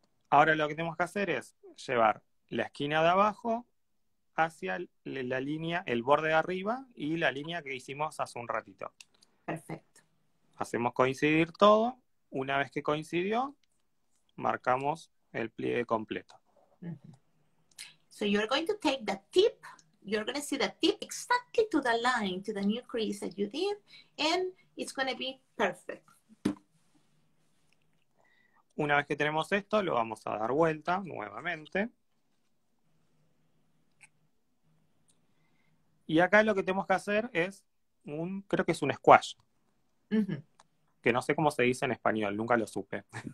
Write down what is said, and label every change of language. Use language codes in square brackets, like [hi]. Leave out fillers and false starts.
[es] ahora lo que tenemos que hacer es llevar la esquina de abajo hacia la línea, el borde de arriba y la línea que hicimos hace un ratito. Perfecto. Hacemos coincidir todo. Una vez que coincidió, marcamos el pliegue completo. [en] So you're going to take the tip. You're going to see the tip exactly to the line, to the new crease that you did, and it's going to be perfect. [es] Una vez que tenemos esto, lo vamos a dar vuelta nuevamente. Y acá lo que tenemos que hacer es creo que es un squash. Que no sé cómo se dice en español, nunca lo supe.